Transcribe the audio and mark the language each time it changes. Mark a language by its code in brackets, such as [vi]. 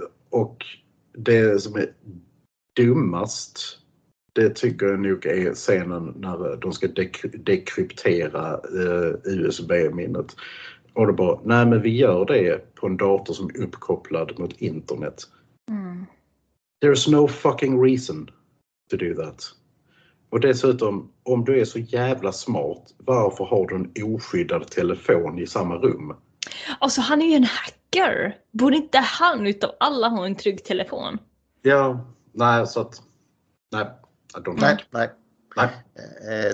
[sv] Och det som är dummast, det tycker jag nog är scenen när de ska dekryptera USB-minnet. Och det bara, nej men vi gör det på en dator som är uppkopplad mot internet. Mm. [en] There is no fucking reason to do that. [sv] Och dessutom, om du är så jävla smart, varför har du en oskyddad telefon i samma rum? Alltså han är ju en hacker. Borde inte han utav alla ha en trygg telefon? Ja. Nej, så att... Nej.